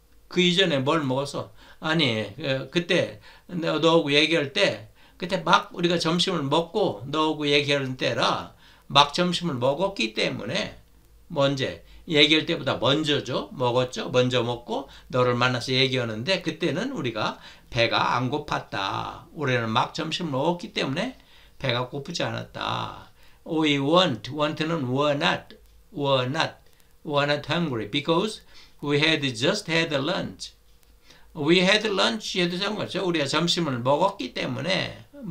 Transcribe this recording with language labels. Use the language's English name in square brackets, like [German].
[Korean] 그 이전에 뭘 먹었어? 아니, 그때 너하고 얘기할 때, 그때 막 우리가 점심을 먹고 너하고 얘기하는 때라 막 점심을 먹었기 때문에 먼저 얘기할 때보다 먼저죠. 먹었죠. 먼저 먹고 너를 만나서 얘기하는데 그때는 우리가 배가 안 고팠다. 우리는 막 점심을 먹었기 때문에 배가 고프지 않았다. [English] We weren't, weren't는 were not hungry because we had just had lunch. We had lunch [Korean] 얘도 상관없죠. 우리가 점심을 먹었기 때문에.